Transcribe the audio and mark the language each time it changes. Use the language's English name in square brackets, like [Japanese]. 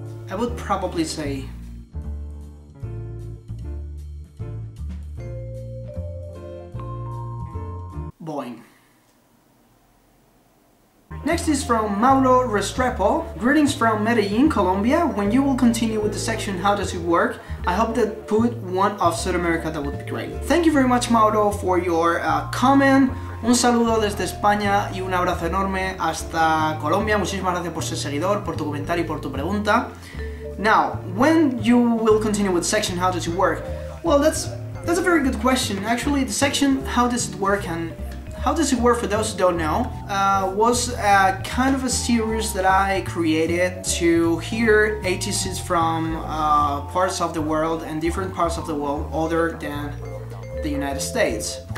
[English] I would probably say Boeing. Next is from Mauro Restrepo. Greetings from Medellin, Colombia. When you will continue with the section, how does it work? I hope that put one of South America, that would be great. Thank you very much, Mauro, for your comment. [Spanish] Un saludo desde España y un abrazo enorme hasta Colombia. Muchísimas gracias por ser seguidor, por tu comentario y por tu pregunta. [English] Now, when you will continue with the section, how does it work? Well, that's a very good question. Actually, the section, how does it work, and how does it work for those who don't know, was a kind of a series that I created to hear ATCs from parts of the world and different parts of the world other than the United States.